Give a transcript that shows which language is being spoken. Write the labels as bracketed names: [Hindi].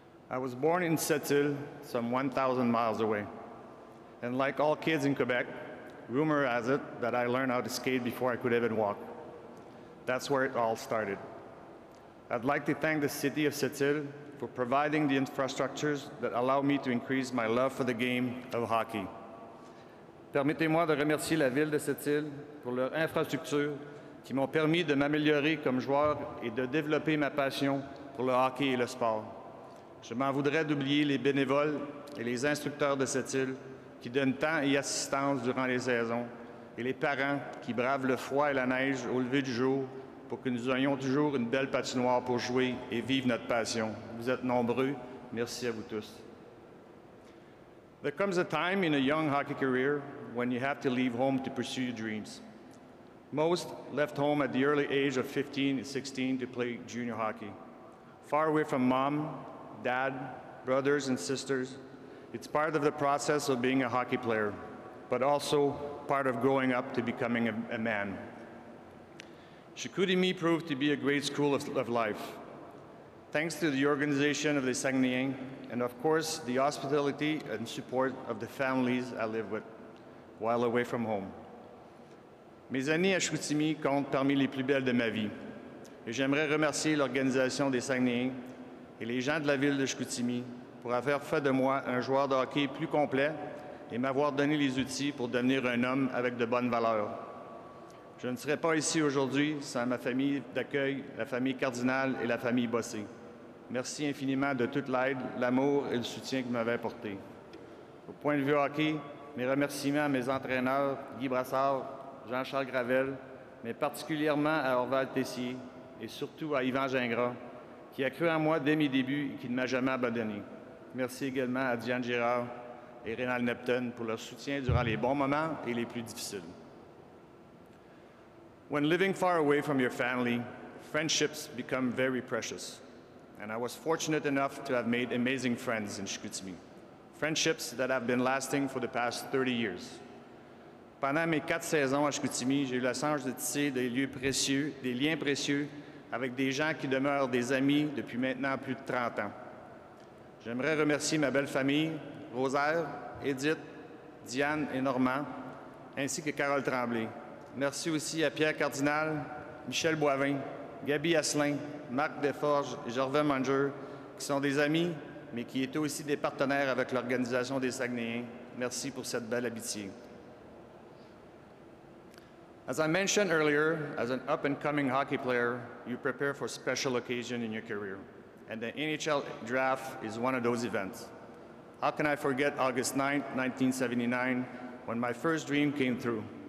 [English] I was born in Sept-Îles, some 1,000 miles away. And like all kids in Quebec, rumor has it that I learned how to skate before I could even walk. That's where it all started. I'd like to thank the city of Sept-Îles for providing the infrastructures that allow me to increase my love for the game of hockey. [French] Permettez-moi de remercier la ville de Sept-Îles pour leur infrastructure qui m'ont permis de m'améliorer comme joueur et de développer ma passion pour le hockey et le sport. Je m'en voudrais d'oublier les bénévoles et les instructeurs de cette île qui donnent temps et assistance durant les saisons et les parents qui bravent le froid et la neige au lever du jour pour que nous ayons toujours une belle patinoire pour jouer et vivre notre passion. Vous êtes nombreux. Merci à vous tous. [English] There comes a time in a young hockey career when you have to leave home to pursue your dreams. Most left home at the early age of 15 and 16 to play junior hockey. Far away from mom, dad, brothers and sisters, it's part of the process of being a hockey player, but also part of growing up to becoming a man. Chicoutimi proved to be a great school of life. Thanks to the organization of the Saguenayens, and of course, the hospitality and support of the families I live with while away from home. [French] Mes années à Chicoutimi comptent parmi les plus belles de ma vie. Et j'aimerais remercier l'organisation des Saguenayens et les gens de la ville de Chicoutimi pour avoir fait de moi un joueur de hockey plus complet et m'avoir donné les outils pour devenir un homme avec de bonnes valeurs. Je ne serais pas ici aujourd'hui sans ma famille d'accueil, la famille Cardinal et la famille Bossé. Merci infiniment de toute l'aide, l'amour et le soutien que vous m'avez apporté. Au point de vue hockey, mes remerciements à mes entraîneurs, Guy Brassard, Jean-Charles Gravel, mais particulièrement à Orval Tessier et surtout à Yvan Gingras, qui a cru en moi dès mes débuts et qui ne m'a jamais abandonné. Merci également à Diane Girard et Rénal Neptune pour leur soutien durant les bons moments et les plus difficiles. [English] When living far away from your family, friendships become very precious. And I was fortunate enough to have made amazing friends in Chicoutimi, friendships that have been lasting for the past 30 years. [French] Pendant mes quatre saisons à Chicoutimi, j'ai eu la chance de tisser des lieux précieux, des liens précieux avec des gens qui demeurent des amis depuis maintenant plus de 30 ans. J'aimerais remercier ma belle famille, Rosaire, Edith, Diane et Normand, ainsi que Carole Tremblay. Merci aussi à Pierre Cardinal, Michel Boivin, Gabi Asselin, Marc Desforges et Gervais Munger, qui sont des amis, mais qui étaient aussi des partenaires avec l'Organisation des Saguenayens. Merci pour cette belle amitié. [English] As I mentioned earlier, as an up-and-coming hockey player, you prepare for special occasion in your career. And the NHL draft is one of those events. How can I forget August 9, 1979, when my first dream came through?